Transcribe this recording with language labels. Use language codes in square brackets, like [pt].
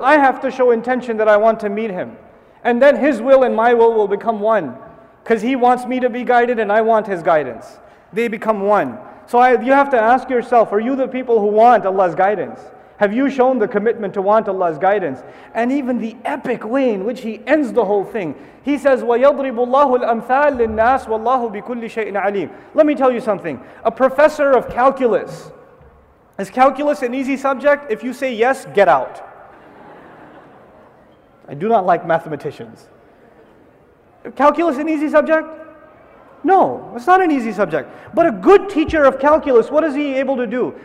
[en] I have to show intention that I want to meet Him. And then His will and my will become one. Because He wants me to be guided and I want His guidance. They become one. So you have to ask yourself, are you the people who want Allah's guidance? Have you shown the commitment to want Allah's guidance? And even the epic way in which He ends the whole thing. He says, [ar] وَيَضْرِبُ اللَّهُ الْأَمْثَالِ لِلنَّاسِ وَاللَّهُ بِكُلِّ شَيْءٍ عَلِيمٍ. [en] Let me tell you something. A professor of calculus. Is calculus an easy subject? If you say yes, get out. I do not like mathematicians. Calculus an easy subject? No, it's not an easy subject. But a good teacher of calculus, what is he able to do?